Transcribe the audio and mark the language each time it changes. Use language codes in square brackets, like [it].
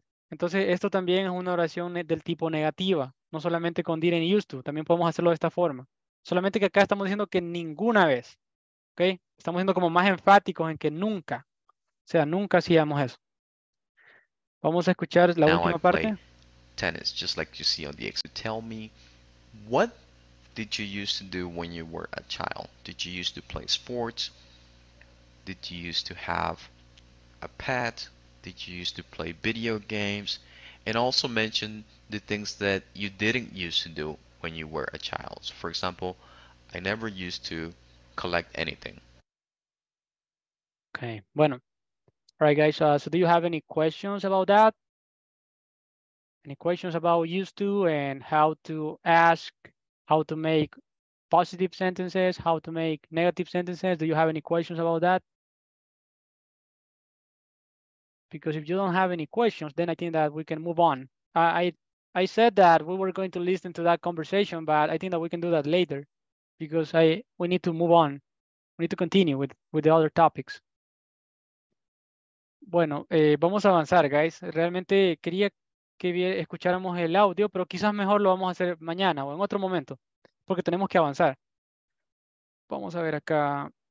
[es] Entonces, esto también es una oración del tipo negativa, no solamente con didn't used to, también podemos hacerlo de esta forma. Solamente que acá estamos diciendo que ninguna vez, ¿ok? Estamos siendo como más enfáticos en que nunca, o sea, nunca hacíamos eso. Vamos a escuchar la última parte. [en] Tennis, just like you see on the exit. Tell me, what did you used to do when you were a child? Did you used to play sports? Did you used to have a pet? Did you used to play video games? And also mention the things that you didn't used to do when you were a child. So for example, I never used to collect anything. [es] Okay, bueno. [en] All right, guys, so do you have any questions about that? Any questions about used to and how to ask, how to make positive sentences, how to make negative sentences? Do you have any questions about that? Because if you don't have any questions, then I think that we can move on. I said that we were going to listen to that conversation, but I think that we can do that later because we need to move on. We need to continue with the other topics. [es] Bueno, vamos a avanzar, guys. Realmente quería que escucháramos el audio, pero quizás mejor lo vamos a hacer mañana o en otro momento, porque tenemos que avanzar. Vamos a ver acá.